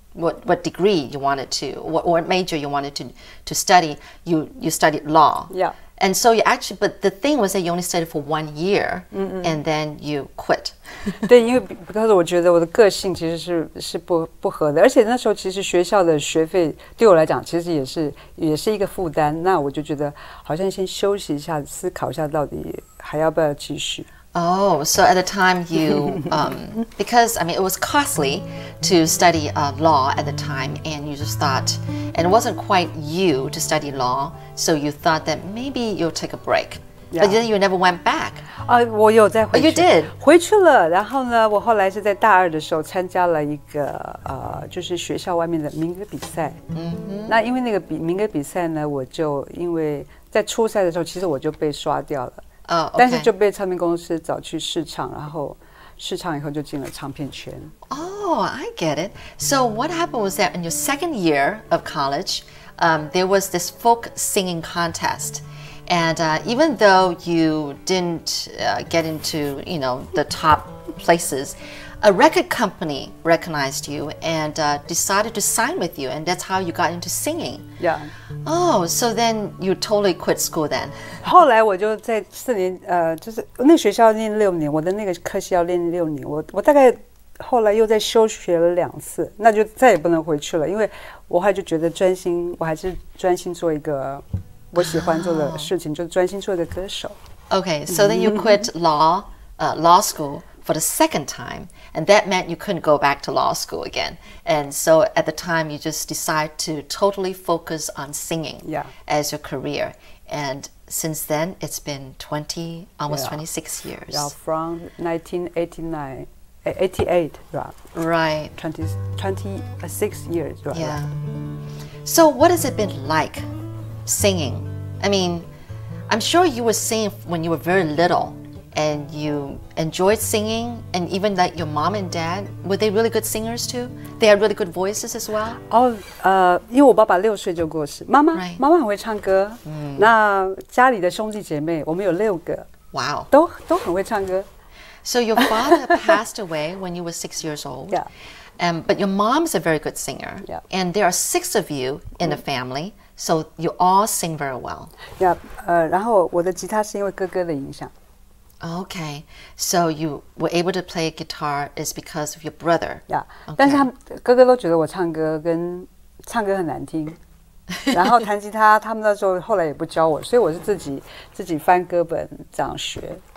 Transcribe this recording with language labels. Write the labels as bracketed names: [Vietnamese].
[English] What degree you wanted to, what major you wanted to study, you studied law. Yeah. And so you actually, but the thing was that you only studied for 1 year、mm-hmm. and then you quit. [Chinese] 对，因为 because 我觉得我的个性其实是不合的，而且那时候其实学校的学费对我来讲其实也是一个负担，那我就觉得好像先休息一下，思考一下到底还要不要继续。 [English] Oh, so at the time you, because, I mean, it was costly to study law at the time, and you just thought, and it wasn't quite you to study law, so you thought that maybe you'll take a break. Yeah. But then you never went back. [Chinese] 我有再回去。 [English] Oh, you did? [Chinese] 回去了，然后呢，我后来是在大二的时候参加了一个，就是学校外面的民歌比赛。 Mm-hmm. 那因为那个民歌比赛呢，我就因为在初赛的时候，其实我就被刷掉了。 [English] Okay. [Chinese] 但是就被唱片公司找去试唱，然后试唱以后就进了唱片圈。 [English] Oh, I get it. So what happened was that in your second year of college, there was this folk singing contest. And even though you didn't get into, you know, the top places, a record company recognized you and decided to sign with you. And that's how you got into singing. Yeah. Oh, so then you totally quit school then? [Chinese] 后来我就在四年，就是那个学校念六年，我的那个科系要念六年，我大概后来又在休学了两次，那就再也不能回去了，因为我后来就觉得专心，我还是专心做一个我喜欢做的事情，就专心做一个歌手。 [English] Okay, so then you quit law school for the second time, and that meant you couldn't go back to law school again. And so at the time, you just decide to totally focus on singing、 yeah. as your career. And since then, it's been 26 years. Yeah, from 1988, right? Right. 26 years, right? Yeah. So what has it been like singing? I mean, I'm sure you were singing when you were very little. And you enjoyed singing, and even that your mom and dad, were they really good singers too? They had really good voices as well? [Chinese] Oh, 因为我爸爸六岁就过世，妈妈、right. 妈妈很会唱歌。Mm. 那家里的兄弟姐妹，我们有六个。 Wow. 都很会唱歌。 [English] So your father passed away when you were 6 years old. Yeah. But your mom's a very good singer. Yeah. And there are six of you in the family, so you all sing very well. Yeah. [Chinese] 然后我的吉他是因为哥哥的影响。 [English] Okay, so you were able to play guitar is because of your brother. Yeah, okay. [Chinese] 但是他们哥哥都觉得我唱歌很难听，然后弹吉他，他们那时候后来也不教我，所以我是自己翻歌本这样学。